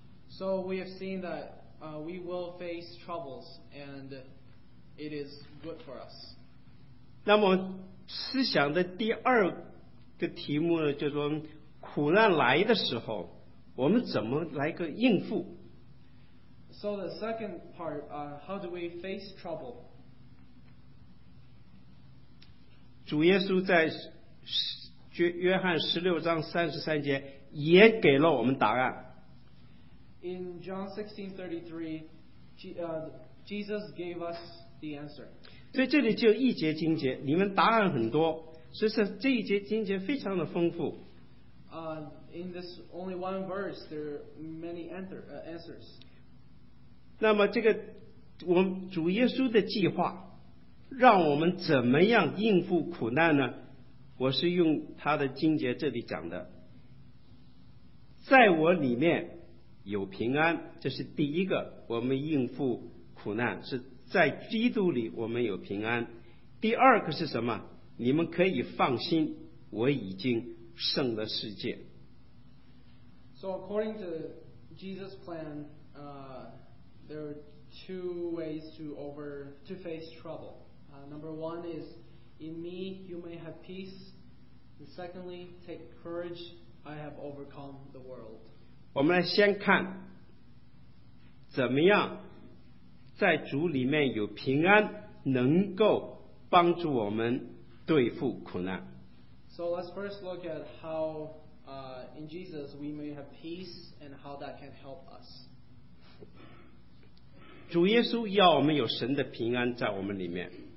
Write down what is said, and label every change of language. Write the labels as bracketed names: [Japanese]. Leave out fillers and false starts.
[English] So we have seen that we will face troubles, and it is good for us. [Chinese] 那么思想的第二个题目呢，就是说苦难来的时候，我们怎么来个应付 [English] ？So the second part, how do we face trouble? [Chinese] 主耶稣在约翰十六章三十三节也给了我们答案。 [English] In John 16:33, Jesus gave us the answer. [Chinese] 所以这里就一节经节，你们答案很多，所以这一节经节非常的丰富。 [English] In this only one verse, there are many answers. [Chinese] 那么这个我们主耶稣的计划。让我们怎么样应付苦难呢？我是用他的经节这里讲的，在我里面有平安，这是第一个。我们应付苦难是在基督里我们有平安。第二个是什么？你们可以放心，我已经胜了世界。 [English] So according to Jesus' plan, there are two ways to face trouble. Number one is, in me you may have peace. And secondly, take courage. I have overcome the world. [Chinese] 我们来先看怎么样在主里面有平安，能够帮助我们对付苦难。 [English] So let's first look at how in Jesus we may have peace and how that can help us. [Chinese] 主耶稣要我们有神的平安在我们里面。